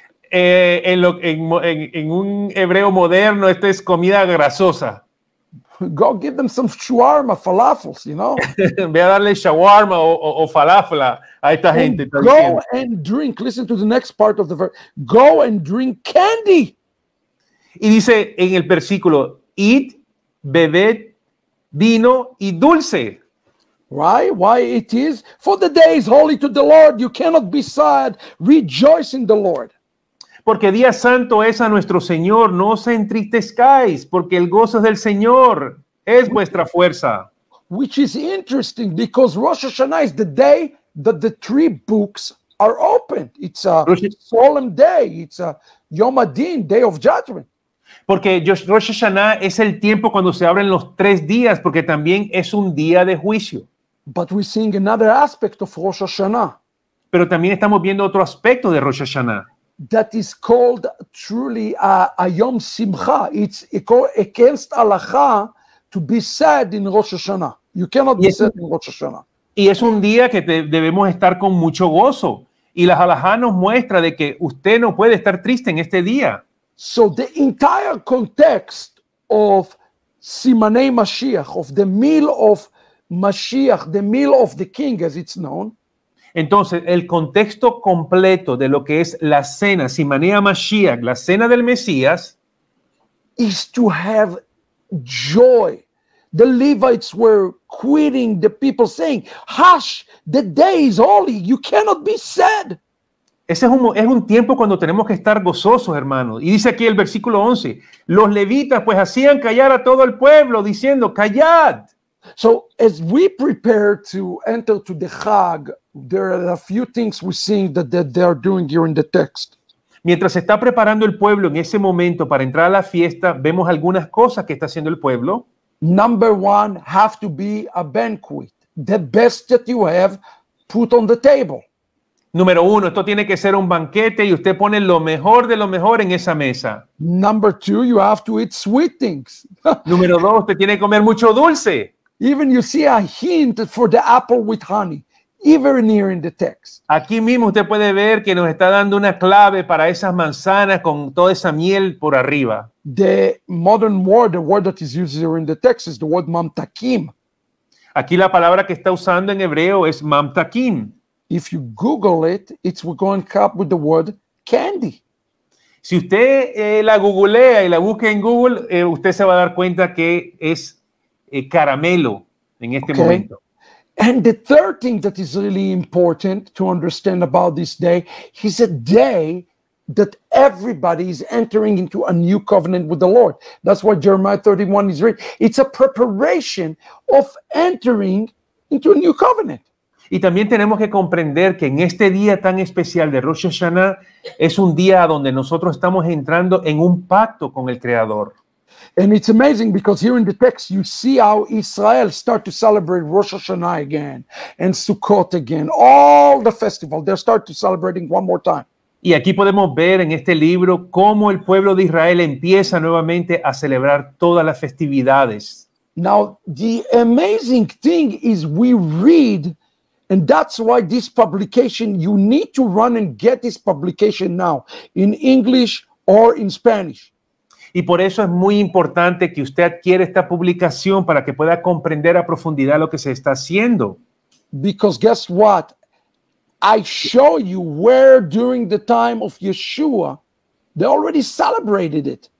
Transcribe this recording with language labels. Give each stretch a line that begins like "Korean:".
Spanish: En un hebreo moderno, esto es comida grasosa.
English: Go give them some shawarma, falafels, you know.
Spanish: Voy a darle shawarma o falafla a esta
English: and
Spanish: gente.
English: Go and drink. Listen to the next part of the verse. Go and drink candy.
Spanish: Y dice en el versículo,
English: eat,
Spanish: bebed, vino y dulce.
English: Right? Why it is? For the day is holy to the Lord. You cannot be sad. Rejoice in the Lord.
Spanish: Porque día santo es a nuestro Señor. No os entristezcáis, porque el gozo es del Señor. Es vuestra fuerza.
English: Which is interesting because Rosh Hashanah is the day that the three books are opened. It's a solemn day. It's a Yom HaDin, day of judgment.
Spanish: Porque Rosh Hashanah es el tiempo cuando se abren los tres días, porque también es un día de juicio.
English: But we're seeing another aspect of Rosh Hashanah.
Spanish: Pero también estamos viendo otro aspecto de Rosh Hashanah.
English: That is called truly a Yom Simcha. It's against halacha to be sad in Rosh Hashanah. You cannot be sad in Rosh Hashanah.
Spanish: Y es un día que debemos estar con mucho gozo. Y la halajá nos muestra de que usted no puede estar triste en este día.
English: So the entire context of Simanei Mashiach, of the meal of Mashiach, the meal of the king as it's known.
Spanish: Entonces, el contexto completo de lo que es la cena, Simanei Mashiach, la cena del Mesías,
English: is to have joy. The Levites were quitting the people saying, hush, the day is holy, you cannot be sad.
Spanish: Ese es un tiempo cuando tenemos que estar gozosos, hermanos. Y dice aquí el versículo 11, los levitas pues hacían callar a todo el pueblo diciendo, callad.
English: So as we prepare to enter to the Chag, there are a few things we see that they are doing here in the text.
Spanish: Mientras se está preparando el pueblo en ese momento para entrar a la fiesta, vemos algunas cosas que está haciendo el pueblo.
English: Number one, have to be a banquet. The best that you have, put on the table.
Spanish: Número uno, esto tiene que ser un banquete y usted pone lo mejor de lo mejor en esa mesa.
English: Number two, you have to eat sweet things.
Spanish: Número dos, usted tiene que comer mucho dulce.
English: Even you see a hint for the apple with honey, even here in the text.
Spanish: Aquí mismo usted puede ver que nos está dando una clave para esas manzanas con toda esa miel por arriba.
English: The modern word, the word that is used here in the text is the word mamtakim.
Spanish: Aquí la palabra que está usando en hebreo es mamtakim.
English: If you Google it, it's going to come up with the word candy.
Spanish: Si usted la googlea y la busca en Google, usted se va a dar cuenta que es caramelo en este momento.
English: And the third thing that is really important to understand about this day is a day that everybody is entering into a new covenant with the Lord. That's why Jeremiah 31 is written. It's a preparation of entering into a new covenant.
Spanish: Y también tenemos que comprender que en este día tan especial de Rosh Hashanah es un día donde nosotros estamos entrando en un pacto con el Creador.
English: And it's amazing because here in the text you see how Israel start to celebrate Rosh Hashanah again and Sukkot again, all the festival they start to celebrating one more time.
Spanish: Y aquí podemos ver en este libro cómo el pueblo de Israel empieza nuevamente a celebrar todas las festividades.
English: Now the amazing thing is we read, and that's why this publication, you need to run and get this publication now in English or in Spanish.
Spanish: Y por eso es muy importante que usted adquiera esta publicación para que pueda comprender a profundidad lo que se está haciendo.
English: Because guess what? I show you where during the time of Yeshua, they already celebrated it.